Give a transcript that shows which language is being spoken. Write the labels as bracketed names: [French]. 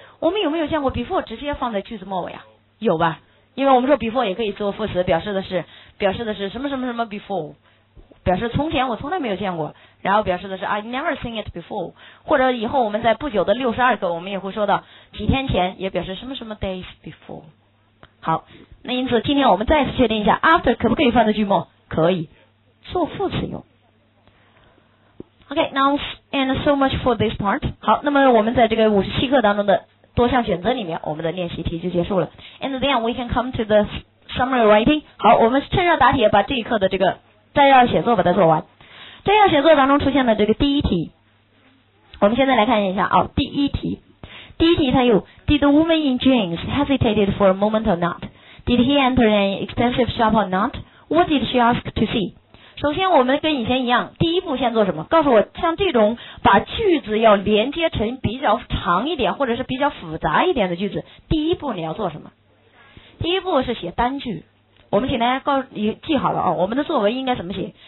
[Chinese] 我们有没有见过 before 直接放在句子末尾啊？有吧，因为我们说 before 也可以做副词，表示的是什么什么什么 before，表示从前我从来没有见过，然后表示的是 [English] I never seen it before， [Chinese] 或者以后我们在不久的62课我们也会说到几天前，也表示什么什么 [English] days before。 [Chinese] 好，那因此今天我们再次确定一下 after 可不可以放在句末？可以，做副词用。 [English] Okay, now and so much for this part. [Chinese] 好，那么我们在这个57课当中的多项选择里面，我们的练习题就结束了。 [English] And then we can come to the summary writing. [Chinese] 好，我们趁热打铁把这一课的这个摘要写作把它做完。摘要写作当中出现的这个第一题，我们现在来看一下哦，第一题。第一题它有 [English] Did the woman in jeans hesitated for a moment or not? Did he enter an extensive shop or not? What did she ask to see? [Chinese] 首先我们跟以前一样，第一步先做什么？告诉我像这种把句子要连接成比较长一点或者是比较复杂一点的句子，第一步你要做什么？第一步是写单句。我们请大家告你记好了啊，我们的作文应该怎么写？